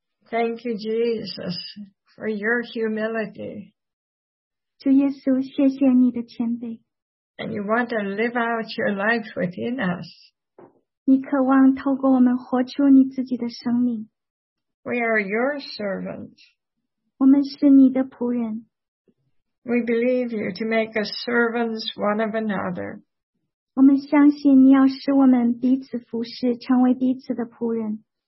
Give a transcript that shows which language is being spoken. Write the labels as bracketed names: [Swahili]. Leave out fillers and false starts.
[English] Thank you, Jesus, for your humility. [Chinese] 主耶稣，谢谢你的谦卑。 [English] And you want to live out your life within us. [Chinese] 你渴望透过我们活出你自己的生命。 [English] We are your servants. [Chinese] 我们是你的仆人。 [English] We believe you to make us servants one of another. [Chinese] 我们相信你要使我们彼此服侍，成为彼此的仆人。